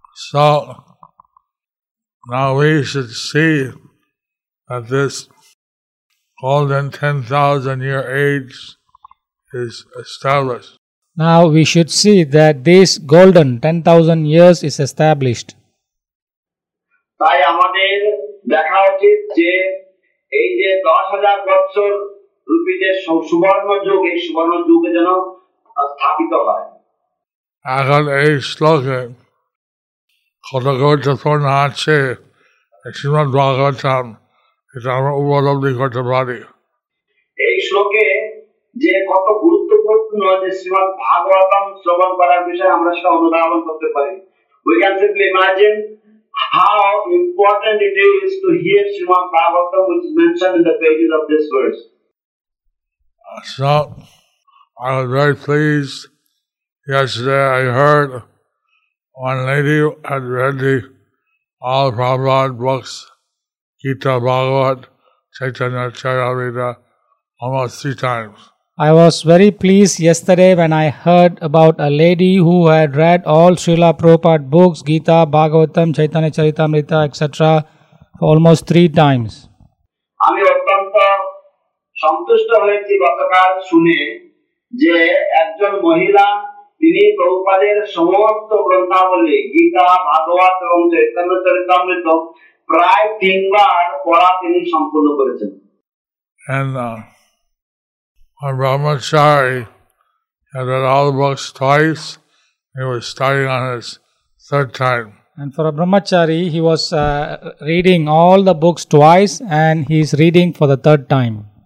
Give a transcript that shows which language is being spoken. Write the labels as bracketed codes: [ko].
[en] So, now we should see that this golden 10,000 year age is established. Now we should see that this golden 10,000 years is established. [bn] তাই আমাদের দেখা উচিত যে এই যে 10,000 বছর রূপী যে সুবর্ণ যুগ এই সুবর্ণ যুগে যেন স্থাপিত হয় এখন এই শ্লোকে কতগুলো যথর্ণ আছে শ্রীমদ ভাগবতম এটা আমরা উপলব্ধি করতে পারি এই শ্লোকে যে কত গুরুত্বপূর্ণ যে শ্রীমদ ভাগবতম শ্রবণ করার বিষয়ে আমরা সেটা অনুধাবন করতে পারি [en] We can simply imagine How important it is to hear Srimad Bhagavatam, which is mentioned in the pages of this verse. So, I was very pleased. Yesterday I heard one lady had read the all Prabhupada books, Gita, Bhagavat, Chaitanya, Charitamrita, almost 3 times. I was very pleased yesterday when I heard about a lady who had read all Srila Prabhupada books, Gita, Bhagavatam, Chaitanya Charitamrita, etc. for almost 3 times. [bn] আমি অত্যন্ত সন্তুষ্ট হয়েছি গতকাল শুনে যে একজন মহিলা তিনি প্রভুপাদের সমস্ত গ্রন্থাবলী গীতা ভাগবত এবং চৈতন্য চরিতামৃত প্রায় 3 বার পড়া তিনি সম্পূর্ণ করেছেন [en] On Brahmachari, he had read all the books twice. He was starting on his 3rd time. And for a Brahmachari, he was reading all the books twice and he is reading for the 3rd time.